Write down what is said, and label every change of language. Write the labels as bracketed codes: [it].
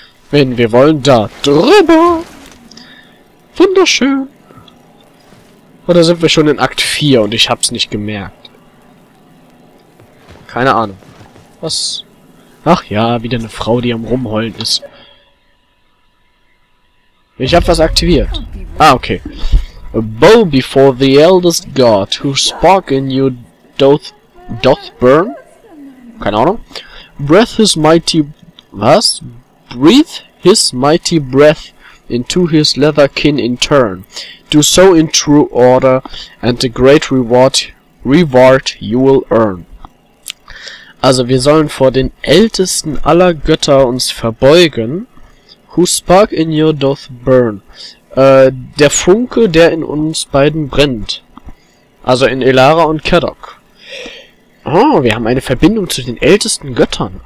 [de] Wenn wir wollen, da drüber! Wunderschön! Oder sind wir schon in Akt 4 und ich hab's nicht gemerkt? Keine Ahnung. Was? Ach ja, wieder eine Frau, die am Rumheulen ist. Ich hab was aktiviert. Ah, okay. [en] A bow before the eldest god, whose spark in you doth burn? [de] Keine Ahnung. [en] Breath his mighty... [de] Was? [en] Breathe his mighty breath into his leather kin in turn. Do so in true order, and the great reward you will earn. [de] Also, wir sollen vor den ältesten aller Götter uns verbeugen. [en] Whose spark in you doth burn? [de] Der Funke, der in uns beiden brennt. Also in Elara und Kedok. Oh, wir haben eine Verbindung zu den ältesten Göttern.